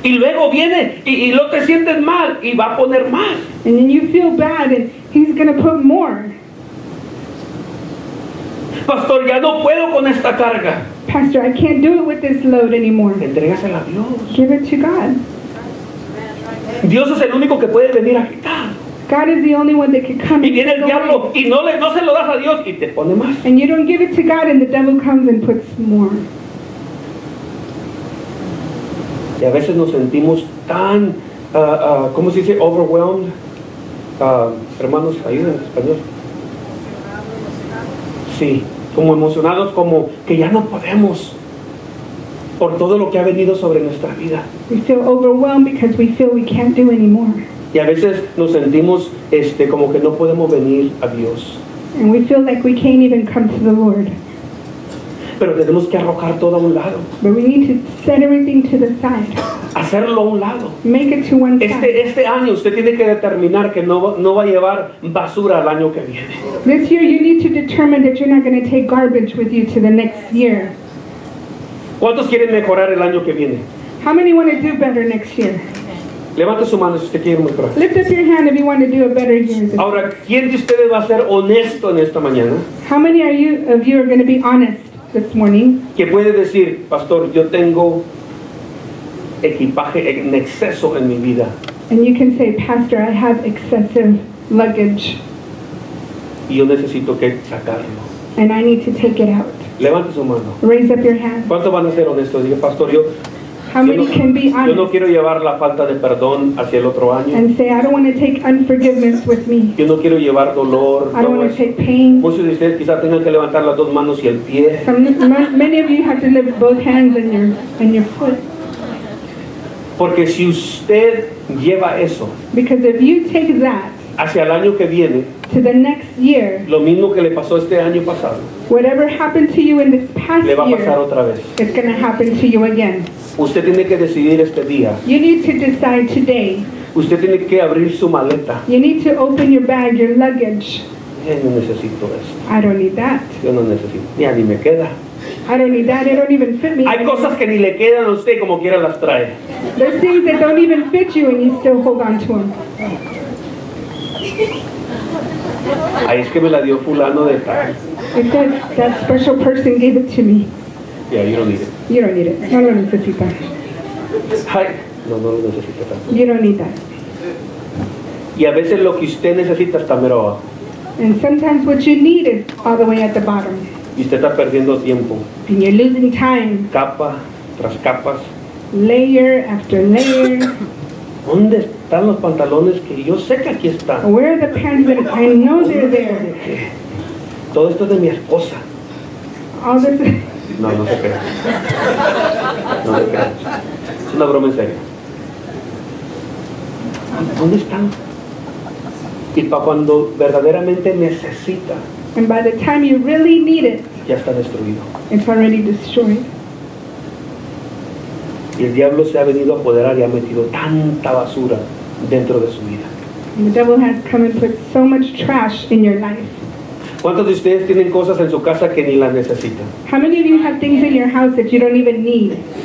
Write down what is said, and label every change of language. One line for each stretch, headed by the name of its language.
Spanish: Y luego viene y lo te sientes mal y va a poner más.
English: And then you feel bad and he's going to put more.
Spanish: Pastor, ya no puedo con esta carga.
English: Pastor, I can't do it with this load anymore.
Spanish: Entrégasela a Dios.
English: Give it to God.
Spanish: Dios es el único que puede venir a quitar.
English: God is the only one that can come.
Spanish: Y viene el diablo y no se lo das a Dios y te pone más.
English: And you don't give it to God and the devil comes and puts more.
Spanish: Y a veces nos sentimos tan, ¿cómo se dice? Overwhelmed. Hermanos, ayuden en español. Sí, como emocionados, como que ya no podemos por todo lo que ha venido sobre nuestra vida.
English: We feel overwhelmed because we feel we can't do anymore.
Spanish: Y a veces nos sentimos como que no podemos venir a Dios.
English: And we feel like we can't even come to the Lord.
Spanish: Pero tenemos que arrojar todo a un lado.
English: But we need to set everything to the side.
Spanish: Hacerlo a un lado.
English: Make it to one side.
Spanish: Este año usted tiene que determinar que no va a llevar basura al año que viene.
English: This year you need to determine that you're not going to take garbage with you to the next year.
Spanish: ¿Cuántos quieren mejorar el año que viene?
English: How many want to do better next year?
Spanish: Levante su mano si usted quiere mejorar.
English: Lift up your hand if you want to do a better year.
Spanish: Ahora, ¿quién de ustedes va a ser honesto en esta mañana?
English: How many of you are going to be honest? This morning,
Spanish: que puede decir, pastor, yo tengo equipaje en exceso en mi vida.
English: And you can say, Pastor, I have excessive luggage.
Spanish: Y yo necesito que sacarlo.
English: And I need to take it out.
Spanish: Levante su mano.
English: Raise up your hand.
Spanish: ¿Cuántos van a ser honestos? Dije, Pastor, yo.
English: How many can be honest?
Spanish: Yo no quiero llevar la falta de perdón hacia el otro año.
English: And say, I don't want to take unforgiveness with me.
Spanish: Yo no quiero llevar dolor.
English: I don't want to take pain.
Spanish: Muchos de ustedes quizás tengan que levantar las dos manos y el pie.
English: Many of you have to lift both hands and your foot.
Spanish: Porque si usted lleva eso,
English: because if you take that
Spanish: hacia el año que viene,
English: to the next year,
Spanish: lo mismo que le pasó este año pasado,
English: whatever happened to you in this past
Spanish: le va a pasar
English: year,
Spanish: otra vez.
English: It's going to happen to you again.
Spanish: Usted tiene que decidir este día.
English: You need to decide today.
Spanish: Usted tiene que abrir su maleta.
English: You need to open your bag, your luggage.
Spanish: Yo no necesito esto.
English: I don't need that.
Spanish: Yo no necesito. Ya ni me queda.
English: I don't need that. It don't even fit me.
Spanish: Hay
English: anymore.
Spanish: Cosas que ni le quedan a usted como quiera las trae.
English: There's things that don't even fit you and you still hold on to them.
Spanish: Ahí es que me la dio fulano de tal.
English: That special person gave it to me. Yeah, you don't need it. You don't need it.
Spanish: No lo necesita. Hi. No lo necesita tanto.
English: You don't need that.
Spanish: Y a veces lo que usted necesita está mero abajo.
English: And sometimes what you need is all the way at the bottom.
Spanish: Y usted está perdiendo tiempo.
English: And you're losing time.
Spanish: Capa tras capas.
English: Layer after layer.
Spanish: ¿Dónde están los pantalones que yo sé que aquí están?
English: Where are the pants that I know they're there?
Spanish: Todo esto es de mi esposa.
English: All this.
Spanish: No se crea. No se crea. Es una broma en serio. ¿Dónde están? Y para cuando verdaderamente necesita.
English: And by the time you really need it,
Spanish: ya está destruido.
English: It's already destroyed.
Spanish: Y el diablo se ha venido a apoderar y ha metido tanta basura dentro de su vida.
English: And the devil has come and put so much trash in your life.
Spanish: ¿Cuántos de ustedes tienen cosas en su casa que ni las necesitan?
English: How many of you have things in your house that you don't even need?